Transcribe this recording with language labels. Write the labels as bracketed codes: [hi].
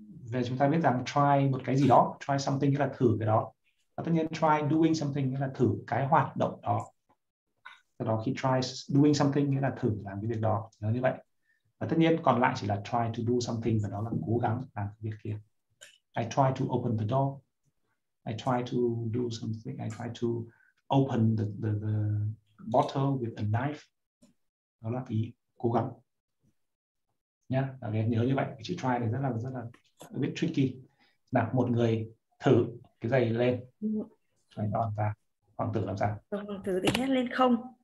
[vi] Về chúng ta biết rằng try một cái gì đó, try something nghĩa là thử cái đó. Và tất nhiên try doing something nghĩa là thử cái hoạt động đó. Sau đó khi try doing something nghĩa là thử làm cái việc đó. Nó như vậy. Và tất nhiên còn lại chỉ là try to do something và đó là cố gắng làm cái việc kia. [en] I try to open the door. I try to do something. I try to open the bottle with a knife. [vi] Đó là cái cố gắng. Nhá, các em nhớ như vậy. Chữ try này rất là [en] a bit tricky. [vi] Nào, một người thử cái giày lên. [en] Try it on [vi] ra. Hoàng tử làm sao? Hoàng tử thì hét lên không.